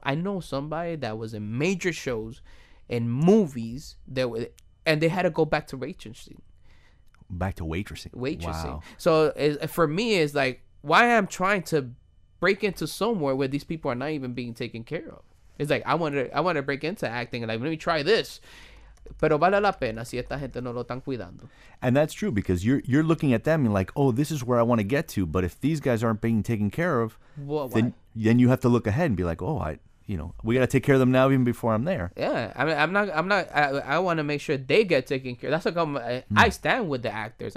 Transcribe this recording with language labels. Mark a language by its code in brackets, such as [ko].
[en] I know somebody that was in major shows and movies that were, and they had to go back to waitressing. Back to waitressing. Wow. So for me, it's like, why am I trying to break into somewhere where these people are not even being taken care of? It's like, I wanted to break into acting. Like, let me try this. [es] Pero vale la pena si esta gente no lo están cuidando. [en] And that's true, because you're looking at them and like, oh, this is where I want to get to. But if these guys aren't being taken care of, then you have to look ahead and be like, we got to take care of them now even before I'm there. Yeah, I want to make sure they get taken care of. That's like I stand with the actors.